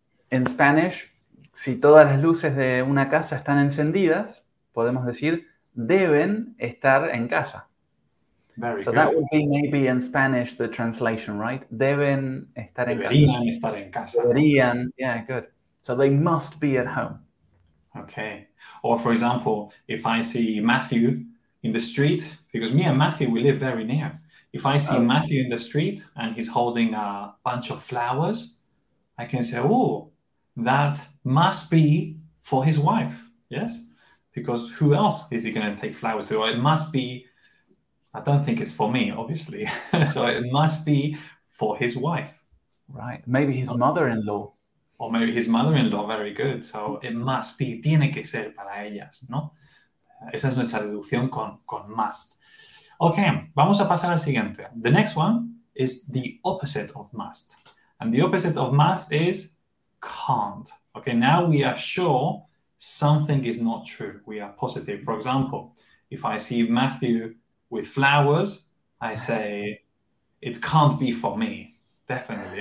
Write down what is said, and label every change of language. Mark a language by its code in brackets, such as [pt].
[en] In Spanish, [es] si todas las luces de una casa están encendidas, podemos decir, deben estar en casa. [en] Very good. That would be maybe in Spanish the translation, right? [es] Deben estar en deberían casa. Estar en casa. [en] Deberían, yeah, good. So they must be at home. Okay. Or, for example, if I see Matthew in the street, because me and Matthew, we live very near. If I see Matthew in the street and he's holding a bunch of flowers, I can say, oh, that must be for his wife, yes? Because who else is he going to take flowers to? Or it must be, I don't think it's for me, obviously. So it must be for his wife. Right. Maybe his mother-in-law. Or maybe his mother-in-law, very good. So it must be, [es] tiene que ser para ellas, ¿no? Esa es nuestra deducción con must. Okay, vamos a pasar al siguiente. [en] The next one is the opposite of must. And the opposite of must is can't. Okay, now we are sure something is not true. We are positive. For example, if I see Matthew with flowers, I say, it can't be for me. Definitely.